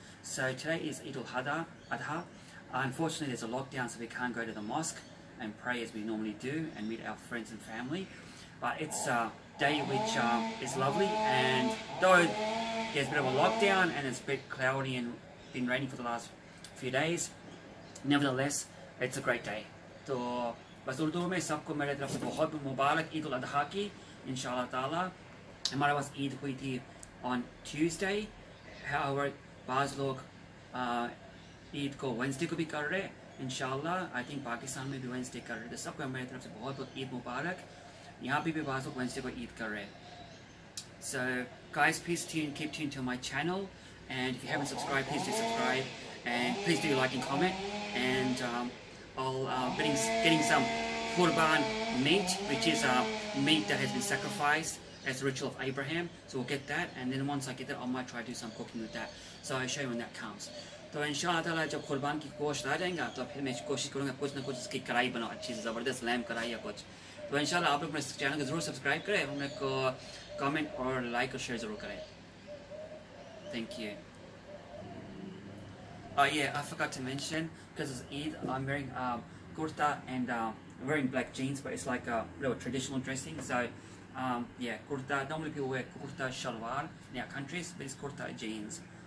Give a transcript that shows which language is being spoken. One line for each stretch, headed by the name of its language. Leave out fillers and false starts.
English: So today is Eid-ul-Adha. Unfortunately, there's a lockdown, so we can't go to the mosque and pray as we normally do and meet our friends and family. But it's a day which is lovely, and though there's a bit of a lockdown and it's a bit cloudy and been raining for the last few days, nevertheless, it's a great day.
Urdu: سو، بس اردو میں سب کو میرے طرف سے بہت بہت مبارک عید الاضحیٰ کی، ان شاء اللہ تعالیٰ۔ Hamara bas Eid hui thi
English: on Tuesday. However،
Urdu: بعض لوگ عید کو Wednesday کو بھی کر رہے، ان شاء اللہ۔
English: I think
Urdu: پاکستان میں بھی Wednesday کر رہے۔ تو سب کو میرے طرف سے بہت بہت عید مبارک۔ یہاں پے بھی بعض لوگ Wednesday کو عید کر رہے۔
English: So, guys, please tune, keep tuned to my channel. And if you haven't subscribed, please do subscribe. And please do like and comment. And I'll be getting some qurban meat, which is meat that has been sacrificed as the ritual of Abraham. So we'll get that. And then once I get that, I might try to do some cooking with that. So I'll show you when that comes. So
Urdu: ان شاء اللہ تعالیٰ، جب قربان کی گوشت آ جائے گا، تو پھر میں کوشش کروں گا کچھ نہ کچھ اس کی کڑاہی بناؤ، اچھی سے زبردست lamb کڑاہی یا کچھ۔
English: So
Urdu: ان شاء اللہ، آپ لوگ میرے channel کو ضرور subscribe کرے، ان میں کو comment اور like اور share ضرور کرے۔
English: Thank you. Yeah, I forgot to mention, because it's Eid, I'm wearing kurta and wearing black jeans, but it's like a little traditional dressing. So yeah, kurta, normally people wear kurta shalwar in our countries, but it's kurta jeans.